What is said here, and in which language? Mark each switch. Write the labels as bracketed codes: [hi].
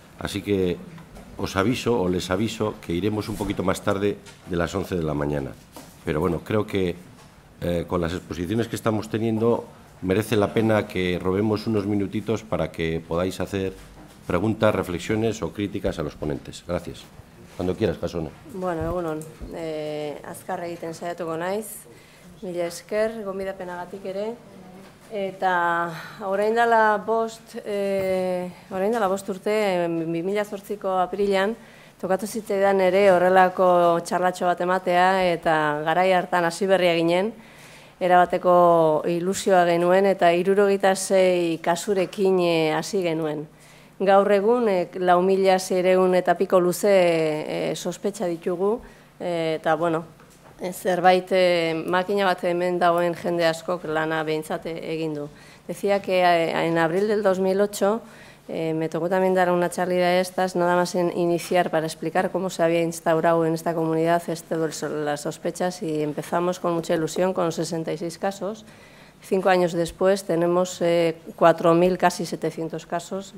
[es] Así que os aviso o les aviso que iremos un poquito más tarde de las 11 de la mañana. Pero bueno, creo que con las exposiciones que estamos teniendo merece la pena que robemos unos minutitos para que podáis hacer preguntas, reflexiones o críticas a los ponentes. Gracias. Cuando quieras, Casona. [eu] Bueno, egunon, azkar egiten saiatuko naiz. Mila esker, gonbidapenagatik ere. Eta orain dela bost urte, 2008ko apirilan, tokatu zitzaidan ere horrelako txarlatxo bat ematea, eta garai hartan hasi berria ginen, erabateko ilusioa genuen, eta 66 kasurekin hasi genuen. Gaur egun, 4.600 eta piko luze sospetxa ditugu, eta bueno, zerbait makina bat hemen dagoen jende askok lana behintzat egin du. [es] Decía que en abril del 2008 me tocó también dar una charla de estas, nada más en iniciar para explicar cómo se había instaurado en esta comunidad las sospechas y empezamos con mucha ilusión, con 66 casos. 5 años después tenemos 4.000, casi 700 casos.